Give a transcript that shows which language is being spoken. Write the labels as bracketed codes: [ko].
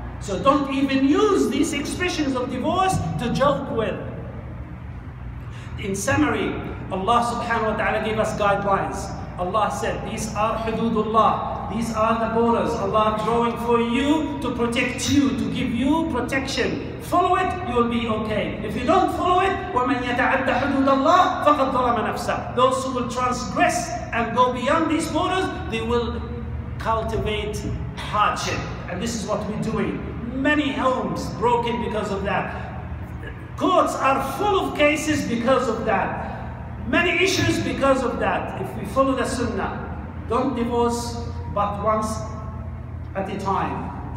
[en] So don't even use these expressions of divorce to joke with. In summary, Allah subhanahu wa ta'ala gave us guidelines. Allah said, these are hududullah, these are the borders Allah drawing for you to protect you, to give you protection. Follow it, you'll be okay. If you don't follow it, [ar] وَمَنْ يَتَعَدَّ حُدُودَ اللَّهِ فَقَدْ ظَلَمَ نَفْسَهُ. [en] Those who will transgress and go beyond these borders, they will cultivate hardship. And this is what we're doing. Many homes broken because of that. Courts are full of cases because of that. Many issues because of that. If we follow the sunnah, don't divorce but once at a time.